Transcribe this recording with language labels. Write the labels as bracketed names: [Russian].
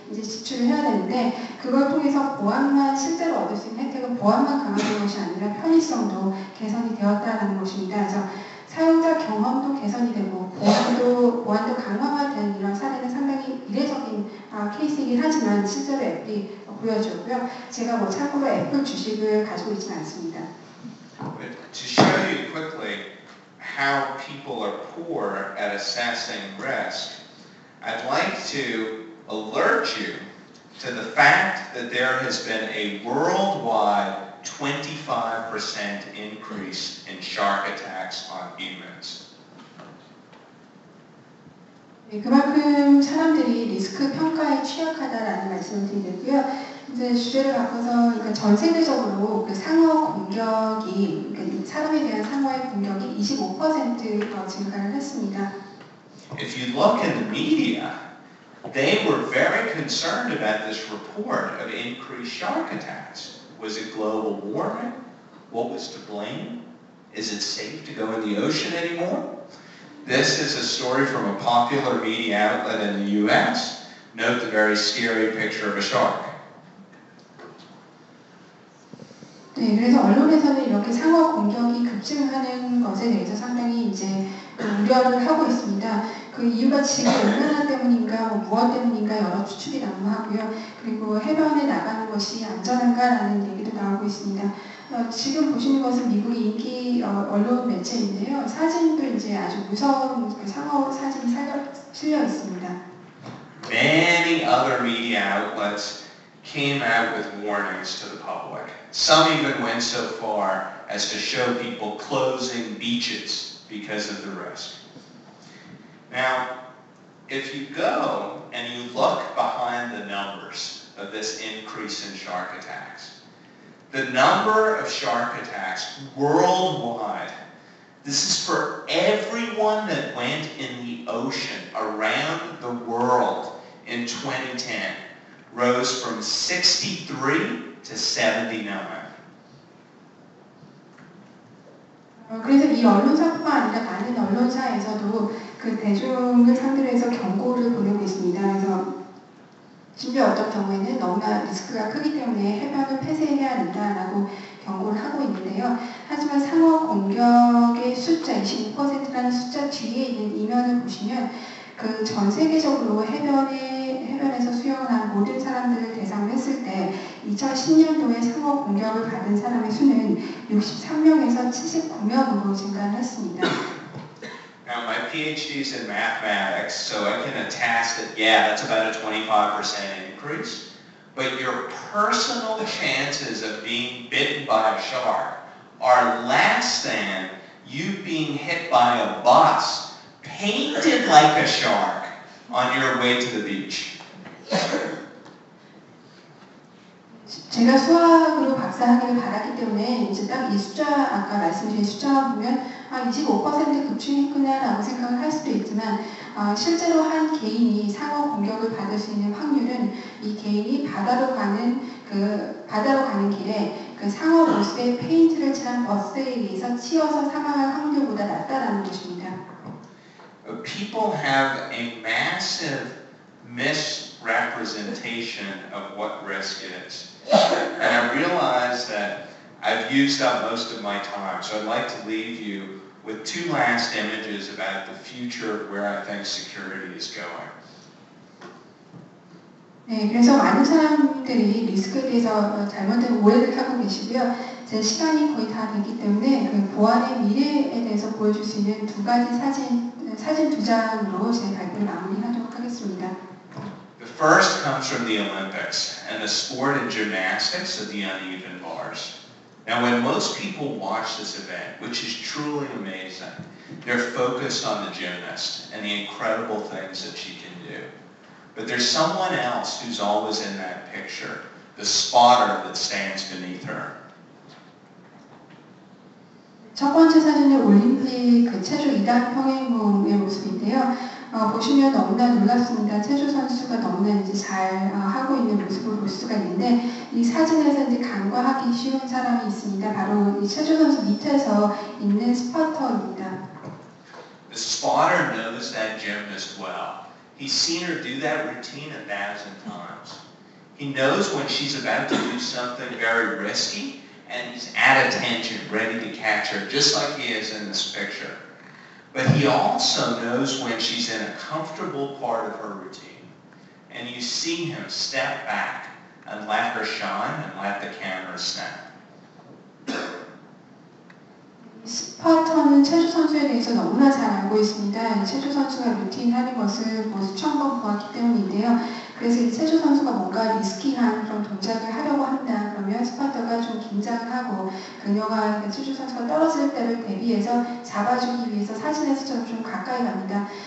[Korean] 이제 지출을 해야 되는데 그걸 통해서 보안만 실제로 얻을 수 있는 혜택은 보안만 강화된 것이 아니라 편의성도 개선이 되었다라는 것입니다. 그래서 사용자 경험도 개선이 되고 보안도 강화가 된 이런 사례는 상당히 이례적인 케이스이긴 하지만 실제로 앱이 보여주고요. 제가 뭐 참고로 애플 주식을 가지고 있지는 않습니다. [English] To show you quickly how people are poor at assessing risk, I'd like to alert you to the fact that there has been a worldwide 25% increase in shark attacks on humans. [Korean] 네, 그만큼 사람들이 리스크 평가에 취약하다라는 말씀을 드리겠고요. 이제 주제를 바꿔서 그러니까 전 세계적으로 그 상어 공격이 그러니까 사람에 대한 상어의 공격이 25%가 증가를 했습니다. [English] If you look in the media, they were very concerned about this report of increased shark attacks. Was it global warming? What was to blame? Is it safe to go in the ocean anymore? This is a story from a popular media outlet in the US. Note the very scary picture of a shark. [Korean] 네, 그래서 언론에서는 이렇게 상어 공격이 급증하는 것에 대해서 상당히 이제 우려를 하고 있습니다. 그 이유가 지금 얼마나 때문인가, 뭐 무엇 때문인가 여러 추측이 난무하고요. 그리고 해변에 나가는 것이 안전한가라는 얘기도 나오고 있습니다. 지금 보시는 것은 미국의 인기 언론 매체인데요. 사진도 이제 아주 무서운 그 상어 사진이 실려 있습니다. [English] Many other media outlets came out with warnings to the public. Some even went so far as to show people closing beaches because of the risk. Now, if you go and you look behind the numbers of this increase in shark attacks, the number of shark attacks worldwide, this is for everyone that went in the ocean around the world in 2010, rose from 63 to 79. [Korean] 그래서 이 언론사뿐만 아니라 많은 언론사에서도 그 대중을 상대로 해서 경고를 보내고 있습니다. 그래서 심지어 어떤 경우에는 너무나 리스크가 크기 때문에 해변을 폐쇄해야 한다라고 경고를 하고 있는데요. 하지만 상어 공격의 숫자, 25%라는 숫자 뒤에 있는 이면을 보시면 그 전 세계적으로 해변에서 수영을 한 모든 사람들을 대상으로 했을 때 2010년도에 상어 공격을 받은 사람의 수는 63명에서 79명으로 증가를 했습니다. [English] Now my PhD is in mathematics, so I can attest that yeah, that's about a 25% increase. But your personal chances of being bitten by a shark are less than you being hit by a bus painted like a shark on your way to the beach. [Korean] 제가 수학으로 박사학위를 받았기 때문에 이제 딱 이 숫자 아까 말씀드린 숫자만 보면 아 25% 급증했구나라고 생각을 할 수도 있지만 실제로 한 개인이 상어 공격을 받을 수 있는 확률은 이 개인이 바다로 가는 길에 그 상어 모습의 페인트를 칠한 버스에 의해서 치여서 사망할 확률보다 낮다라는 것입니다. [English] People have a massive misrepresentation of what risk is. And I realize that I've used up most of my time, so I'd like to leave you with two last images about the future of where I think security is going. [Korean] 네, 그래서 많은 사람들이 리스크에 대해서 잘못된 오해를 하고 계시고요. 제 시간이 거의 다 됐기 때문에 그 보안의 미래에 대해서 보여줄 수 있는 두 가지 사진 두 장으로 제 발표를 마무리하도록 하겠습니다. [English] The first comes from the Olympics and the sport and gymnastics of the uneven bars. Now when most people watch this event, which is truly amazing, they're focused on the gymnast and the incredible things that she can do. But there's someone else who's always in that picture, the spotter that stands beneath her. [Korean] 첫 번째 사진은 올림픽 그 체조 2단 평행봉의 모습인데요. 보시면 너무나 놀랍습니다. 체조 선수가 너무나 이제 잘 하고 있는 모습을 볼 수가 있는데 이 사진에서 이제 간과하기 쉬운 사람이 있습니다. 바로 이 체조 선수 밑에서 있는 스파터입니다. [English] The spotter knows that gymnast well. He's seen her do that routine 1,000 times. He knows when she's about to do something very risky, and he's at attention, ready to catch her, just like he is in this picture. But he also knows when she's in a comfortable part of her routine. And you see him step back and let her shine and let the camera snap. [Korean] 스파터는 체조 선수에 대해서 너무나 잘 알고 있습니다. 체조 선수가 루틴을 하는 것을 벌써 처음 보았기 때문인데요. 그래서 체조 선수가 뭔가 리스키한 그런 동작을 하려고 한다. 그러면 스파터가 좀 긴장하고 그녀가 체조 선수가 떨어질 때를 대비해서 잡아주기 위해서 사진에서처럼 좀 가까이 갑니다.